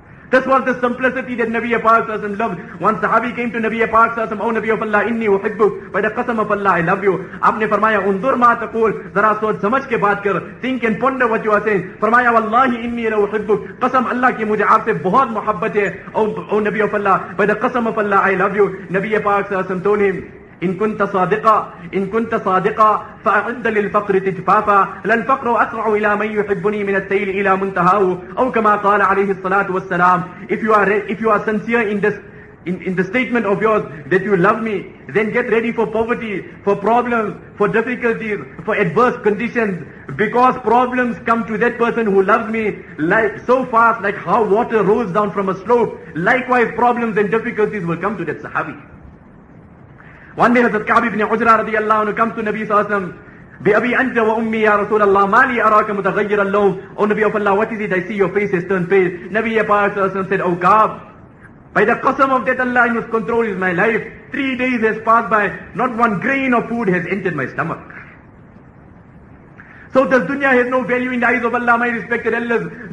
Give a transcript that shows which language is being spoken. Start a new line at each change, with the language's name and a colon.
English: This was the simplicity that Nabi Paak sallam loved. One sahabi came to Nabi Paak sallam, oh Nabi of Allah,
Arabic: inni uhibbuk,
English: by the qasam of Allah, I love you.
Urdu: Aapne farmaya,
Arabic: undur ma taqul,
Urdu: zara soch samajh ke baat kar,
English: think and ponder what you are saying.
Urdu: Farmaya,
Arabic: wallahi inni la uhibbuk,
Urdu: qasam Allah ki mujhe aap se bahut muhabbat hai,
English: oh Nabi of Allah, by the qasam of Allah, I love you. Nabi Paak sallam told him,
Arabic: إن كنت صادقا إن كنت صادقا فأعد للفقر تجفافا للفقر أسرع إلى من يحبني من السيل إلى منتهاه أو كما قال عليه الصلاة والسلام.
English: If you are sincere in this in the statement of yours that you love me, then get ready for poverty, for problems, for difficulties, for adverse conditions, because problems come to that person who loves me like so fast, like how water rolls down from a slope. Likewise, problems and difficulties will come to that sahabi. One day Hazrat Ka'b ibn Ujra radiallahu anhu comes to Nabi Sallallahu Alaihi Wasallam
Arabic: بأبي أنت وأمي يا رسول الله ما لي أراك متغير اللون.
English: Oh Nabi of Allah, what is it? I see your face has turned pale. Nabi Paak said, Oh Kaab, by the qasam of death Allah in whose control is my life, 3 days has passed by, not one grain of food has entered my stomach. So this dunya has no value in the eyes of Allah, my respected elders.